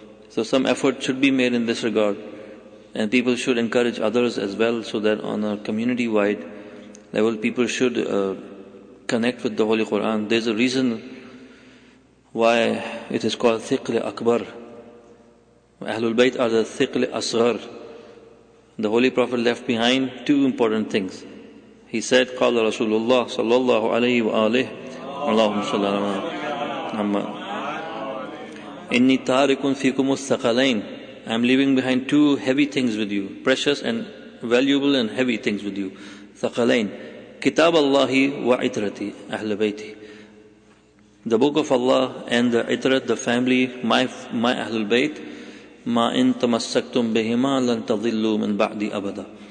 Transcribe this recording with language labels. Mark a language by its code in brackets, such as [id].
[en] So some effort should be made in this regard. And people should encourage others as well, so that on a community-wide level, people should connect with the Holy Quran. There's a reason why it is called Thiql-e-Akbar. Ahlul Bayt are the Thiql-e-Asghar. The Holy Prophet left behind two important things. He said, [ar] قال رسول الله صلى الله عليه وآله اللهم صلى الله عليه وسلم إني تارك فيكم الثقلين. [en] I'm leaving behind two heavy things with you, precious and valuable and heavy things with you. ثقلين, [ar] Kitab Allahi wa itrati, Ahl Bayti. [en] The Book of Allah and the itrat, the family, my Ahlul Bayt, [ar] ma in tamassaktum behima lan tadillu min ba'di abada.